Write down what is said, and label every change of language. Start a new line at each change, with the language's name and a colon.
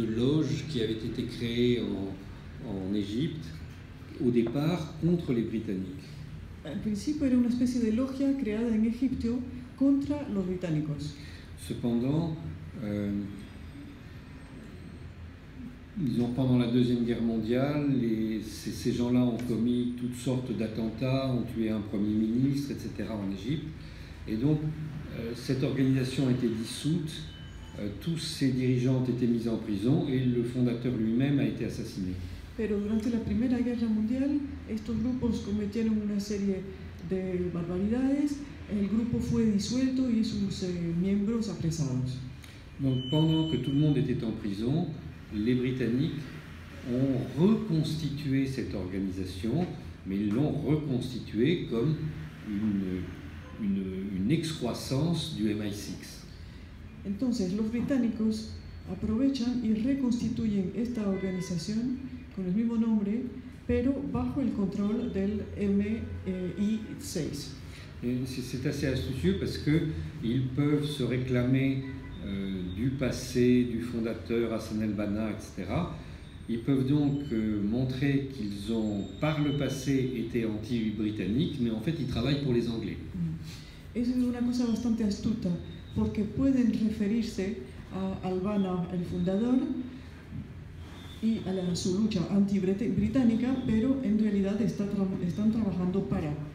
French: loge qui avait été créée en Égypte au départ contre les Britanniques.
Spanish: Al principio era una especie de logia creada en Egipto contra los británicos.
French: Cependant, disons, pendant la Deuxième Guerre mondiale, ces gens-là ont commis toutes sortes d'attentats, ont tué un premier ministre, etc. en Égypte. Et donc, cette organisation a été dissoute, tous ses dirigeants ont été mis en prison et le fondateur lui-même a été assassiné.
Spanish: Pero durante la Primera Guerra Mundial, estos grupos cometieron una serie de barbaridades. El grupo fue disuelto y sus miembros apresados.
French: Donc, pendant que tout le monde était en prison, les Britanniques ont reconstitué cette organisation, mais ils l'ont reconstituée comme une excroissance du MI6.
Spanish: Entonces, los británicos aprovechan y reconstituyen esta organización con el mismo nombre, pero bajo el control del MI6.
French: C'est assez astucieux parce que ils peuvent se réclamer du passé du fondateur Hassan al-Banna, etc. Ils peuvent donc montrer qu'ils ont, par le passé, été anti-britanniques, mais en fait, ils travaillent pour les Anglais.
Spanish: Es una cosa bastante astuta porque pueden referirse a al-Banna, el fundador, y a su lucha anti-británica, pero en realidad están trabajando para.